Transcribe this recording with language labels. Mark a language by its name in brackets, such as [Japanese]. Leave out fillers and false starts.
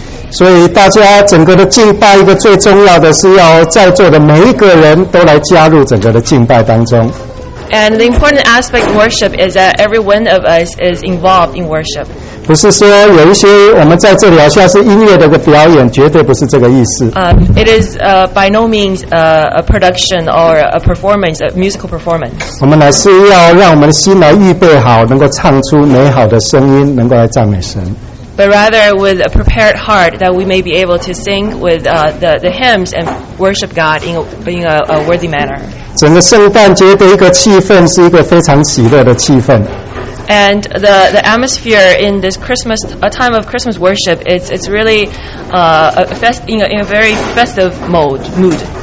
[Chinese] 所以大家整个的敬拜一个最重要的是要在座的每一个人都来加入整个的敬拜当中。 [English] And the important aspect of worship is that every one of us is involved in worship. [Chinese] 不是说有一些我们在这里好像是音乐的一个表演，绝对不是这个意思。 [English] It is by no means a production or a performance, a musical performance. [Chinese] 我们乃是要让我们的心来预备好，能够唱出美好的声音，能够来赞美神。 [English] But rather with a prepared heart that we may be able to sing with the hymns and worship God in a worthy manner. [Chinese] 整个圣诞节的一个气氛是一个非常喜乐的气氛。 [English] And the atmosphere in this Christmas, a time of Christmas worship, it's really in a very festive mood.